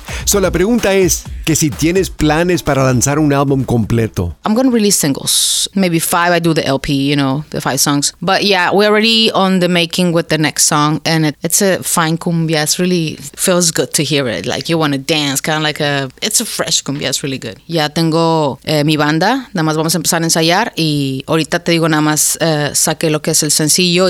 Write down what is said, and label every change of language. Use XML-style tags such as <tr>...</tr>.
<es>So la pregunta es, que si tienes planes para lanzar un álbum completo.</es> <en>I'm going to release singles. Maybe 5, I do the LP, you know, the 5 songs. But yeah, we're already on the making with the next song. And it's a fine cumbia. It's really feels good to hear it. Like you want to dance, kind of like a... It's a fresh cumbia. It's really good.</en> <es>Ya tengo mi banda. Nada más vamos a empezar a ensayar. Y ahorita te digo nada más saqué lo que es el sencillo.</es>